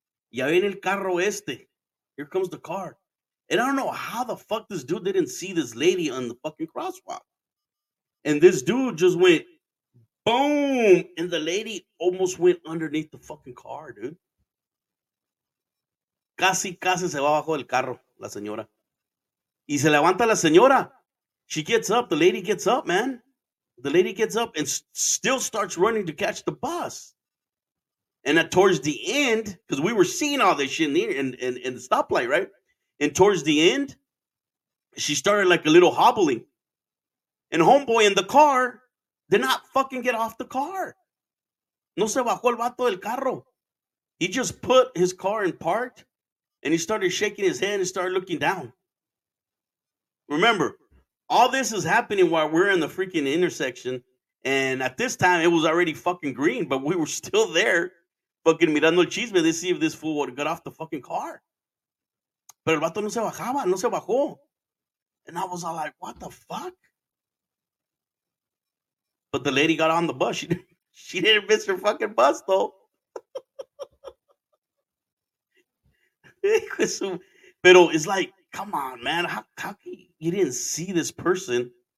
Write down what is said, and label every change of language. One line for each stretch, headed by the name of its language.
Spanish: Ya viene el carro este.
English: Here comes the car. And I don't know how the fuck this dude didn't see this lady on the fucking crosswalk. And this dude just went boom. And the lady almost went underneath the fucking car, dude.
Spanish: Casi, casi se va bajo del carro, la señora. Y se levanta la señora.
English: She gets up. The lady gets up, man. The lady gets up and still starts running to catch the bus. And towards the end, because we were seeing all this shit in the stoplight, right? And towards the end, she started like a little hobbling. And homeboy in the car did not fucking get off the car.
Spanish: No se bajó el vato del carro.
English: He just put his car in park and he started shaking his head and started looking down. Remember, all this is happening while we're in the freaking intersection. And at this time, it was already fucking green, but we were still there. Fucking
Spanish: mirando el chisme
English: to see if this fool would get off the fucking car.
Spanish: Pero el vato no se bajaba, no se bajó.
English: And I was all like, what the fuck? But the lady got on the bus. She didn't miss her fucking bus, though.
Spanish: Pero
English: it's like, come on, man. How can you didn't see this person?